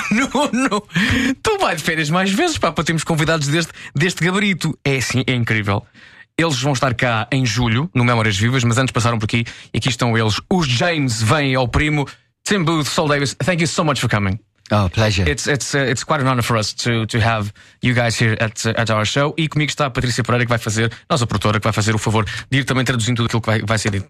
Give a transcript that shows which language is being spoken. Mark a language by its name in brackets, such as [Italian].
[Portuguese] Nuno, tu vai de férias mais vezes, pá, para termos convidados deste gabarito. É assim, é incrível. Eles vão estar cá em julho, no Memórias Vivas, mas antes passaram por aqui. E aqui estão eles. Os James vêm ao Primo. [English] Tim Booth, Saul Davis, thank you so much for coming. Oh, pleasure. It's quite an honor for us to have you guys here at our show. [Portuguese] E comigo está a Patrícia Pereira, que vai fazer, nossa produtora, que vai fazer o favor de ir também traduzindo tudo aquilo que vai ser dito.